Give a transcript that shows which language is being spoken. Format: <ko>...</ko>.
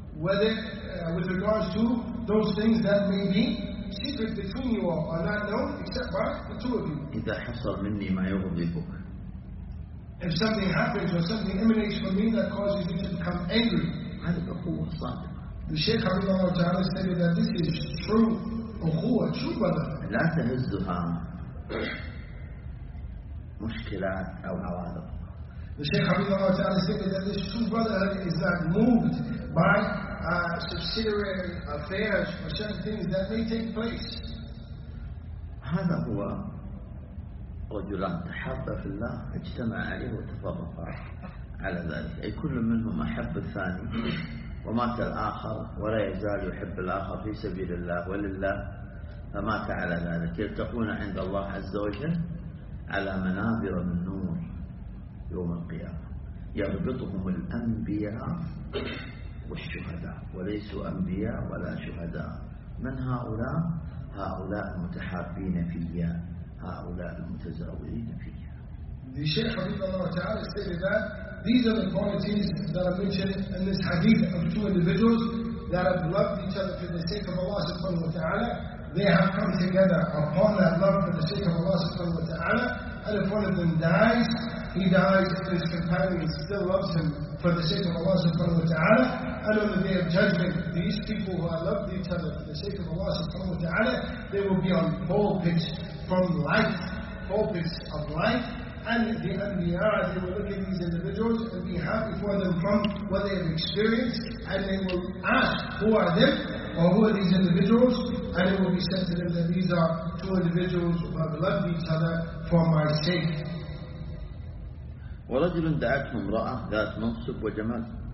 <en>Whether with regards to those things that may be secret between you all are not known except by the two of you.</en> <ar>إذا حصل مني ما يغضبك.</ar> <en>If something happens or something emanates from me that causes you to become angry.</en> <ar>هذه الأخوة الصادقة.</ar> <en>The Shaykh Habibullah Ta'ala stated that this is true ukhuwa, true brotherhood.</en> <ar>لا تهزها مشكلات أو عوارض.</ar> <en>The Shaykh Habibullah Ta'ala stated that this true brotherhood is not moved by subsidiary affairs or certain things that may take place.</en> <ar>هذا هو رجلان تحابا في الله اجتمع عليه وتفرقا على ذلك، أي كل منهم أحب الثاني ومات الآخر ولا يزال يحب الآخر في سبيل الله ولله، فمات على ذلك. يلتقون عند الله عز وجل على منابر من نور يوم القيامة، يربطهم الأنبياء والشهداء، وليسوا أنبياء ولا شهداء. من هؤلاء؟ هؤلاء المتحابين فيا، هؤلاء المتزاورين فيا.</ar> <en>The Shaykh Habibullah Ta'ala stated that these are the qualities that are mentioned in this hadith of two individuals that have loved each other for the sake of Allah subhanahu wa ta'ala. They have come together upon that love for the sake of Allah subhanahu wa ta'ala, and if one of them dies, he dies and his companion still loves him for the sake of Allah subhanahu wa ta'ala. And on the day of judgment, these people who have loved each other for the sake of Allah subhanahu wa ta'ala, they will be on pulpits from life, pulpits of life. And the Anbiya, they will look at these individuals and be happy for them from what they have experienced, and they will ask, who are them, or who are these individuals? And it will be said to them that these are two individuals who have loved each other for my sake.</en> <ar>ورجل دعتهم رأى ذات منصب وجمال.</ar>